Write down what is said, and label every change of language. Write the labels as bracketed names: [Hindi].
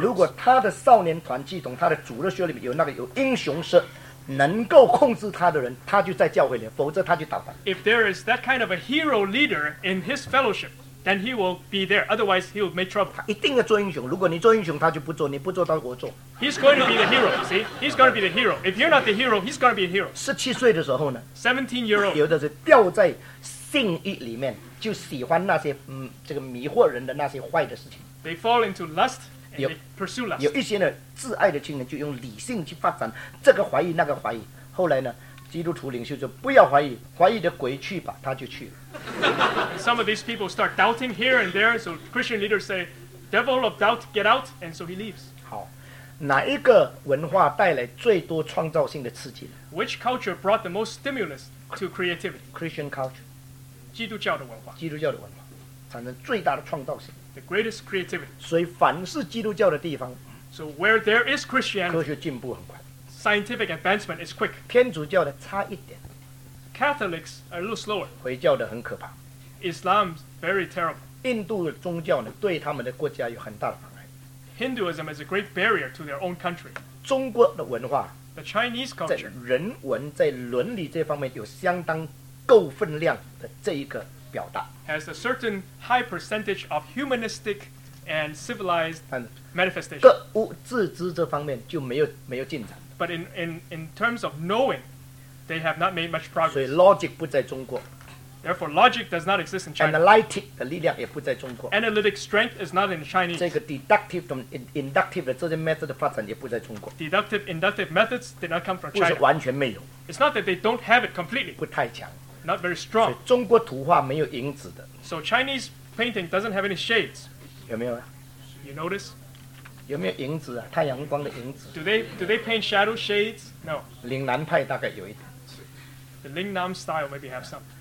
[Chinese] 如果他的少年团契同他的主日学里面有那个有英雄式能够控制他的人，他就在教会里，否则他就倒台。 [English] If there is that kind of a hero leader in his fellowship, then he will be there. Otherwise, he will make trouble. [Chinese] 他一定要做英雄。如果你做英雄，他就不做；你不做，他我做。 [English] He's going to be the hero. See, he's going to be the hero. If you're not the hero, he's going to be a hero. [Chinese] 十七岁的时候呢 [English] ？17-year-old. [Chinese] 有的是掉在性欲里面，就喜欢那些这个迷惑人的那些坏的事情。 [English] They fall into lust and they pursue lust. [Chinese] 有一些呢，自爱的青年就用理性去发展这个怀疑那个怀疑。后来呢，基督徒领袖就不要怀疑，怀疑的鬼去吧，他就去了。 [English] Some of these people start doubting here and there, so Christian leaders say, "Devil of doubt, get out!" And so he leaves. [Chinese] 好，哪一个文化带来最多创造性的刺激呢 [English] ？Which culture brought the most stimulus to creativity? Christian culture. [Chinese] 基督教的文化。基督教的文化产生最大的创造性。 [English] The greatest creativity. [Chinese] 所以凡是基督教的地方 [English] So where there is Christianity, [Chinese] 科学进步很快 [English] Scientific advancement is quick. [Chinese] 天主教的差一点 [English] Catholics are a little slower. [Chinese] 回教的很可怕 [English] Islam is very terrible. [Chinese] 印度宗教呢对他们的国家有很大的妨碍 [English] Hinduism is a great barrier to their own country. [Chinese] 中国的文化 [English] The Chinese culture [Chinese] 在人文在伦理这方面有相当够分量的这一个表达 [English] Has a certain high percentage of humanistic and civilized manifestation. [Chinese] 各物自知这方面就没有进展。 [English] But in terms of knowing, they have not made much progress. [Chinese] 所以 logic 不在中国。 [English] Therefore, logic does not exist in China. [Chinese] Analytic 的力量也不在中国。 [English] Analytic strength is not in Chinese. [Chinese] 这个 deductive 和 inductive 的这些 method 的发展也不在中国。 [English] Deductive, inductive methods did not come from China. [Chinese] 不是完全没有。 [English] It's not that they don't have it completely. [Chinese] 不太强。 [English] Not very strong. [Chinese] 所以中国图画没有影子的。 [English] So Chinese painting doesn't have any shades. [Chinese] 有没有啊 [English] ？You notice? [Chinese] 有没有影子啊？太阳光的影子。 [English] Do they paint shadow shades? No. [Chinese] 岭南派大概有一点。 [English] The Lingnan style maybe have some.